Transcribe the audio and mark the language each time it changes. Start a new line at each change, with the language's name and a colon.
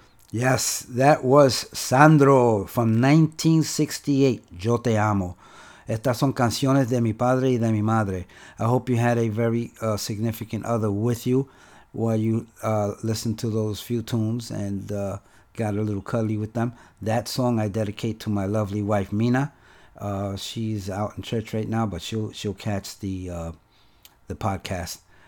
English: Yes, that was Sandro from 1968, Yo Te Amo.
Spanish: Estas son canciones de mi padre y de mi madre.
English: I hope you had a very significant other with you while you listened to those few tunes and got a little cuddly with them. That song I dedicate to my lovely wife, Mina. She's out in church right now, but she'll catch the podcast.